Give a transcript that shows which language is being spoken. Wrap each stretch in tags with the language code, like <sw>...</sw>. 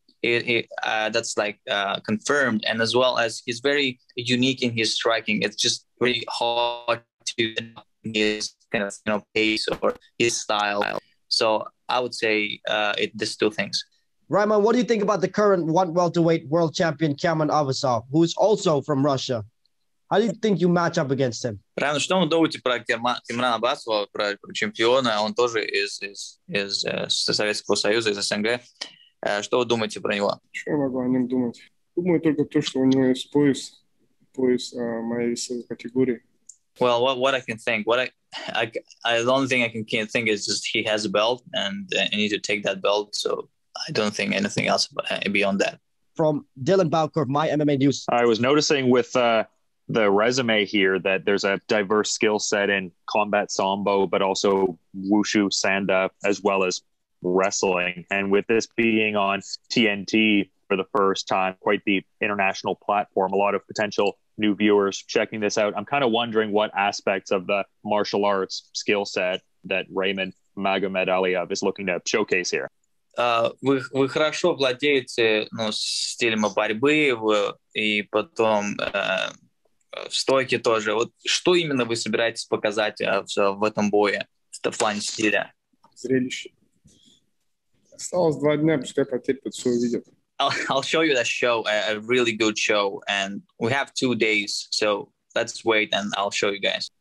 <en>That's like confirmed, and as well as he's very unique in his striking. It's just really hard to his kind of, you know, pace or his style. So I would say these two things. Raimond, what do you think about the current one welterweight world champion Kamaran Usman, who is also from Russia? How do you think you match up against him?</en> <ru>Раймонд, что вы думаете про Кемран Абасова, про чемпиона? Он тоже из Советского Союза, из СНГ. Что вы думаете про него? Что я могу о нем думать? Думаю только то, что у него есть пояс моей весовой категории.</ru> <en>Well, what I can think, the only thing I can think is just he has a belt and I need to take that belt. So I don't think anything else beyond that. From Dylan Bowker of My MMA News. I was noticing with the resume here that there's a diverse skill set in combat sambo, but also wushu, sanda, as well as wrestling. And with this being on TNT for the first time, quite the international platform, a lot of potential new viewers checking this out. I'm kind of wondering what aspects of the martial arts skill set that Raymond Magomedaliev is looking to showcase here.</en> <ru>Вы хорошо владеете, ну, стилем борьбы, и потом стойки тоже. Вот что именно вы собираетесь показать в этом бое, в плане стиля? Зрелище. Осталось два дня, пускай потерпят, все увидят.</ru> <en>I'll show you that show, a really good show, and we have 2 days, so let's wait, and I'll show you guys.</en>